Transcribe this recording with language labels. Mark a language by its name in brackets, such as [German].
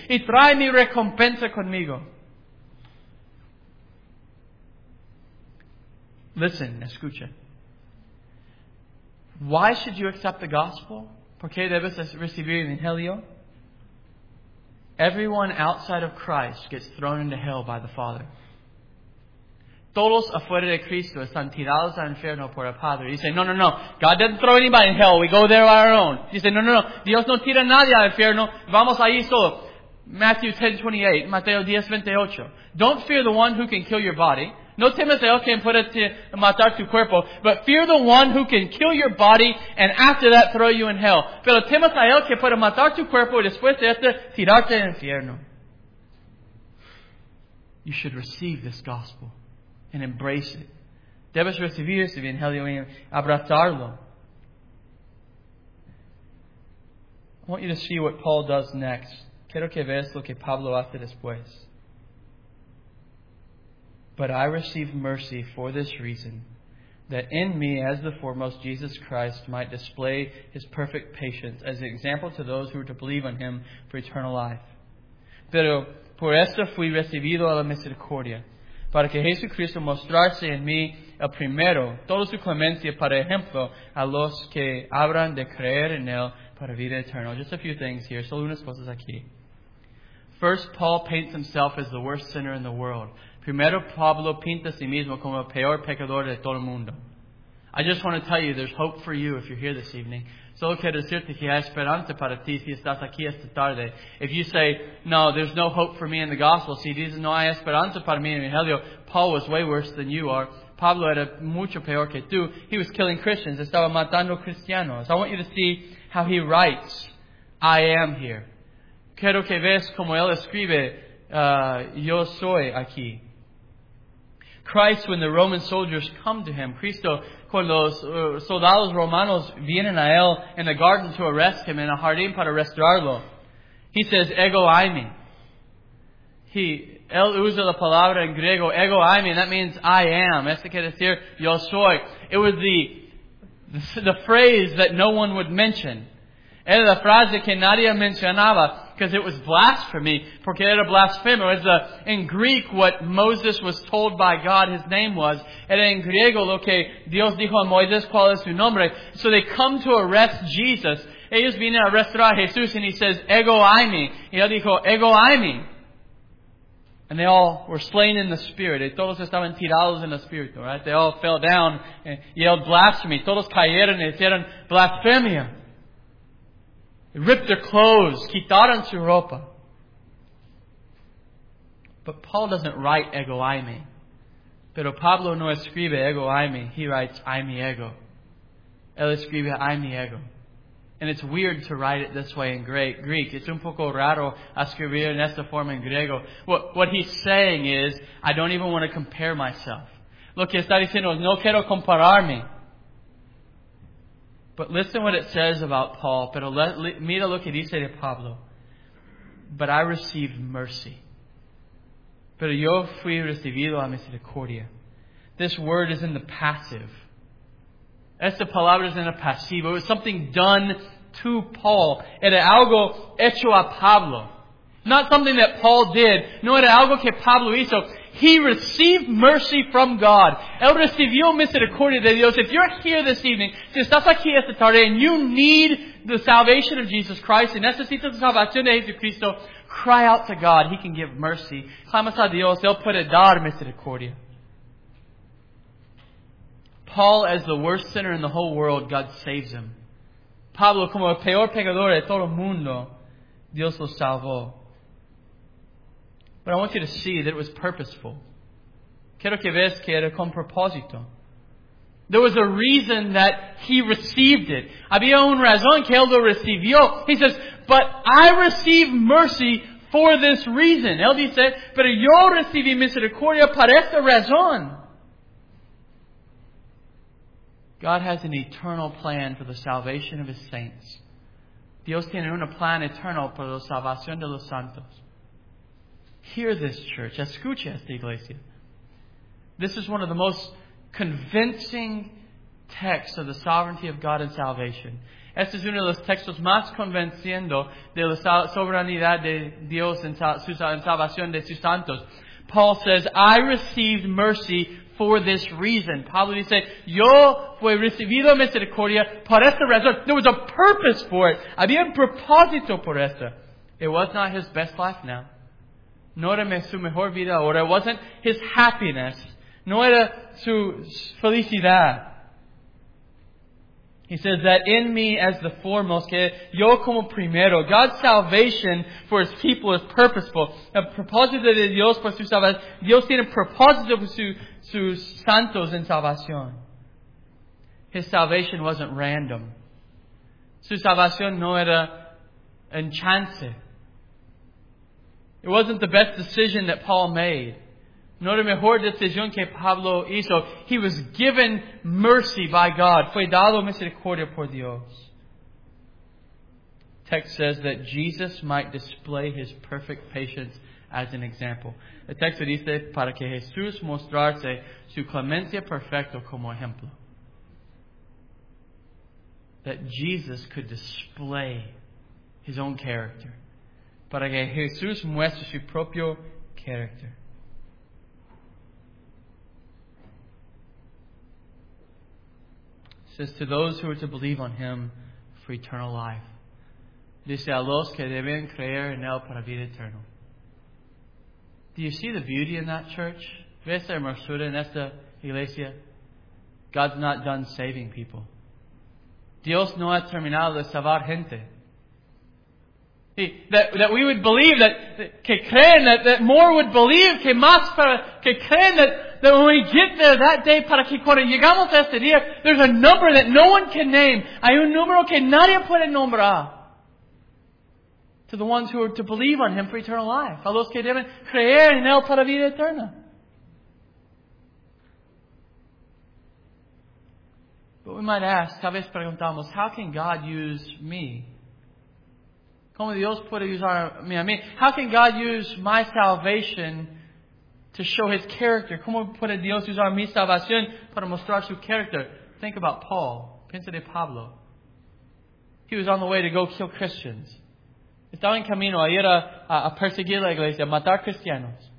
[Spanish] Y trae mi recompensa conmigo." [English] Listen, [Spanish] escucha. [English] Why should you accept the gospel? [Spanish] ¿Por qué debes recibir el evangelio? [English] Everyone outside of Christ gets thrown into hell by the Father. [Spanish] Todos afuera de Cristo están tirados al infierno por el Padre. Dice, no, no, no. [English] God doesn't throw anybody in hell. We go there on our own. [Spanish] Dice, no, no, no. Dios no tira a nadie al infierno. Vamos ahí solo. Matthew 10:28. Mateo 10:28. [English] Don't fear the one who can kill your body. [Spanish] No temas a él quien puede matar tu cuerpo. [English] But fear the one who can kill your body and after that throw you in hell. [Spanish] Pero temas a él quien puede matar tu cuerpo y después de este tirarte al infierno. [English] You should receive this gospel and embrace it. [Spanish] Debes recibir ese evangelio y abrazarlo. [English] I want you to see what Paul does next. [Spanish] Quiero que veas lo que Pablo hace después. [English] "But I receive mercy for this reason, that in me as the foremost Jesus Christ might display his perfect patience as an example to those who are to believe on him for eternal life. [Spanish] Pero por esto fui recibido a la misericordia, para que Jesucristo mostrase en mí el primero, toda su clemencia para ejemplo a los que habrán de creer en él para vida eterna." [English] Just a few things here. [Spanish] Solo unas cosas aquí. [English] First, Paul paints himself as the worst sinner in the world. [Spanish] Primero, Pablo pinta a sí mismo como el peor pecador de todo el mundo. [English] I just want to tell you, there's hope for you if you're here this evening. [Spanish] Solo quiero decirte que hay esperanza para ti si estás aquí esta tarde. [English] If you say, "No, there's no hope for me in the gospel." [Spanish] Si dices, "No hay esperanza para mí en el evangelio." [English] Paul was way worse than you are. [Spanish] Pablo era mucho peor que tú. [English] He was killing Christians. [Spanish] Estaba matando cristianos. [English] I want you to see how he writes, "I am here." [Spanish] Quiero que veas como él escribe, "Yo soy aquí." [English] Christ, when the Roman soldiers come to him, [Spanish] Cristo, cuando los soldados romanos vienen a él [English] in the garden to arrest him, in [Spanish] a jardín para arrestarlo, [English] he says, "Ego eimi." [Spanish] Él usa la palabra en griego, "Ego eimi," that means, "I am." Esto quiere decir, "Yo soy." [English] It was the phrase that no one would mention. [Spanish] Era la frase que nadie mencionaba, [English] because it was blasphemy, [Spanish] porque era blasfemo. [English] In Greek, what Moses was told by God his name was. [Spanish] Era en griego lo que Dios dijo a Moisés, cuál es su nombre. [English] So they come to arrest Jesus. [Spanish] Ellos vienen a arrestar a Jesús, [English] and he says, "Ego eimi." [Spanish] Y él dijo, [English] "Ego eimi." And they all were slain in the spirit. [Spanish] Todos estaban tirados en el espíritu, [English] right? They all fell down and yelled blasphemy. [Spanish] Todos cayeron y hicieron blasfemia. [English] They ripped their clothes, [Spanish] quitaron su ropa. [English] But Paul doesn't write "ego eimi." [Spanish] Pero Pablo no escribe "ego eimi." [English] He writes "eimi ego." [Spanish] Él escribe "eimi ego." [English] And it's weird to write it this way in Greek. It's [Spanish] un poco raro escribir en esta forma en griego. [English] What he's saying is, I don't even want to compare myself. [Spanish] Lo que está diciendo es, no quiero compararme. [English] But listen what it says about Paul. [Spanish] Pero mira lo que dice de Pablo. [English] "But I received mercy. [Spanish] Pero yo fui recibido a misericordia." [English] This word is in the passive. [Spanish] Esta palabra es en el pasivo. [English] It was something done to Paul. [Spanish] Era algo hecho a Pablo. [English] Not something that Paul did. [Spanish] No, era algo que Pablo hizo. [English] He received mercy from God. [Spanish] Él recibió misericordia de Dios. [English] If you're here this evening, [Spanish] si estás aquí esta tarde, [English] and you need the salvation of Jesus Christ, [Spanish] y necesitas la salvación de Jesucristo, [English] cry out to God. He can give mercy. [Spanish] Clamas a Dios. Él puede dar misericordia. [English] Paul, as the worst sinner in the whole world, God saves him. [Spanish] Pablo, como el peor pecador de todo el mundo, Dios lo salvó. [English] But I want you to see that it was purposeful. [Spanish] Quiero que veas que era con propósito. [English] There was a reason that he received it. [Spanish] Había una razón que él lo recibió. [English] He says, but I receive mercy for this reason. [Spanish] Él dice, pero yo recibí misericordia para esta razón. [English] God has an eternal plan for the salvation of His saints. [Spanish] Dios tiene un plan eterno para la salvación de los santos. [English] Hear this, church. [Spanish] Escucha esta iglesia. [English] This is one of the most convincing texts of the sovereignty of God and salvation. [Spanish] Este es uno de los textos más convenciendo de la soberanía de Dios en salvación de sus santos. [English] Paul says, I received mercy for this reason. [Spanish] Pablo dice, yo fui recibido misericordia por esta razón. [English] There was a purpose for it. [Spanish] Había un propósito por esta. [English] It was not his best life now. [Spanish] No era su mejor vida ahora. [English] It wasn't his happiness. [Spanish] No era su felicidad. [English] He says that in me as the foremost, [Spanish] que yo como primero. [English] God's salvation for His people is purposeful. [Spanish] El propósito de Dios por su salvación. Dios tiene propósito por sus santos en salvación. [English] His salvation wasn't random. [Spanish] Su salvación no era un chance. [English] It wasn't the best decision that Paul made. [Spanish] No era mejor decisión que Pablo hizo. [English] He was given mercy by God. [Spanish] Fue dado misericordia por Dios. [English] Text says that Jesus might display His perfect patience as an example. [Spanish] El texto dice, para que Jesús mostrarse su clemencia perfecta como ejemplo. [English] That Jesus could display His own character. [Spanish] Para que Jesús muestre su propio character. [English] Says to those who are to believe on Him for eternal life. [Spanish] Dice a los que deben creer en Él para vida eterna. [English] Do you see the beauty in that, church? [Spanish] ¿Ves la hermosura en esta iglesia? [English] God's not done saving people. [Spanish] Dios no ha terminado de salvar gente. [English] That we would believe that, [Spanish] que creen, [English] that more would believe, [Spanish] que más para, que creen [English] that when we get there that day, [Spanish] para que cuando llegamos a este día, [English] there's a number that no one can name. [Spanish] Hay un número que nadie puede nombrar. [English] To the ones who are to believe on Him for eternal life. [Spanish] A los que deben creer en Él para vida eterna. [English] But we might ask, [Spanish] tal vez preguntamos, [English] how can God use me? [Spanish] ¿Cómo Dios puede usar mí a mí? [English] How can God use my salvation to show His character? [Spanish] ¿Cómo puede Dios usar mi salvación para mostrar su character? [English] Think about Paul. [Spanish] Piensa de Pablo. [English] He was on the way to go kill Christians. [Spanish] Estaba en camino a ir a perseguir la iglesia, a matar cristianos.